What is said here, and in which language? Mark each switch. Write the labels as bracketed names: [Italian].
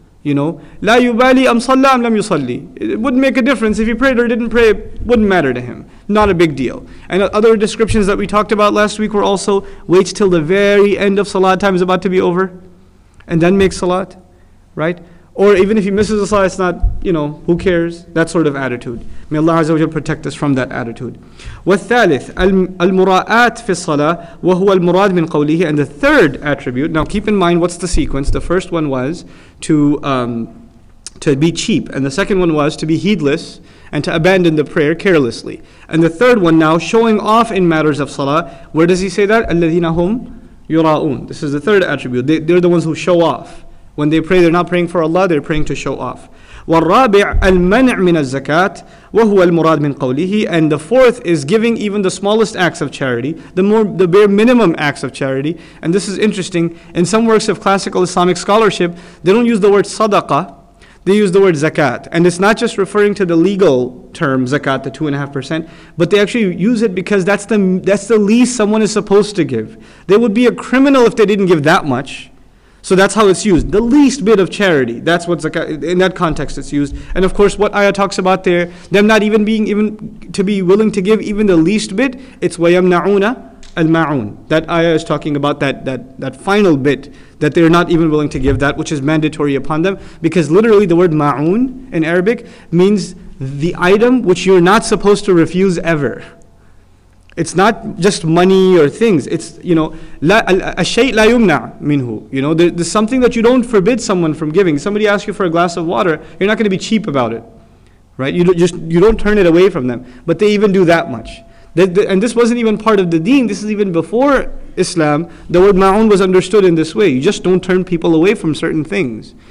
[English] You know, [Arabic] la yubali am salla am lam yusalli. [English] It wouldn't make a difference if he prayed or didn't pray. It wouldn't matter to him. Not a big deal. And other descriptions that we talked about last week were also, wait till the very end of salat time is about to be over, and then make salat, right? Or even if he misses the salat, it's not, you know, who cares? That sort of attitude. May Allah Azza wa Jalla protect us from that attitude. [Arabic] والثالث المراءات في الصلاة وهو المراد من قوله. [English] And the third attribute, now keep in mind what's the sequence. The first one was to be cheap. And the second one was to be heedless and to abandon the prayer carelessly. And the third one now, showing off in matters of salah. Where does he say that? [Arabic] الَّذِينَ هُمْ يُرَاءُونَ. [English] This is the third attribute. They're the ones who show off. When they pray, they're not praying for Allah, they're praying to show off. [Arabic] والرابع المنع من الزكاة وهو المراد من قوله. [English] And the fourth is giving even the smallest acts of charity, the bare minimum acts of charity. And this is interesting. In some works of classical Islamic scholarship, they don't use the word sadaqah, they use the word zakat. And it's not just referring to the legal term zakat, the 2.5%, but they actually use it because that's the least someone is supposed to give. They would be a criminal if they didn't give that much. So that's how it's used. The least bit of charity. That's what zakat, in that context it's used. And of course, what ayah talks about there, them not even being even to be willing to give even the least bit, it's [Arabic] وَيَمْنَعُونَ الْمَعُونَ. [English] That ayah is talking about that final bit that they're not even willing to give, that which is mandatory upon them. Because literally the word ma'un in Arabic means the item which you're not supposed to refuse ever. It's not just money or things. It's, you know, [Arabic] الشيء لا يمنع منه. [English] You know, there's something that you don't forbid someone from giving. Somebody asks you for a glass of water, you're not going to be cheap about it, right? You don't turn it away from them. But they even do that much. And this wasn't even part of the deen. This is even before Islam. The word ma'un was understood in this way. You just don't turn people away from certain things.